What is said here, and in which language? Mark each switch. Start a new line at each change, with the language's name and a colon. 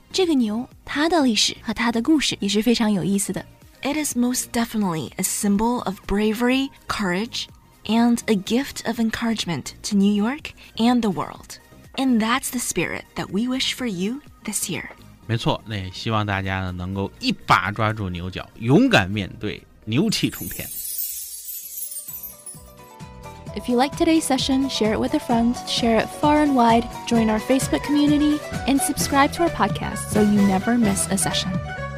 Chinese: 这个牛它的历史和它的故事也是非常有意思的。
English: It is most definitely a symbol of bravery, courage,and a gift of encouragement to New York and the world. And that's the spirit that we wish for you this year.
Chinese: 没错，那也希望大家呢能够一把抓住牛角，勇敢面对，牛气冲天。
English: If you like today's session, share it with a friend, share it far and wide, join our Facebook community, and subscribe to our podcast so you never miss a session.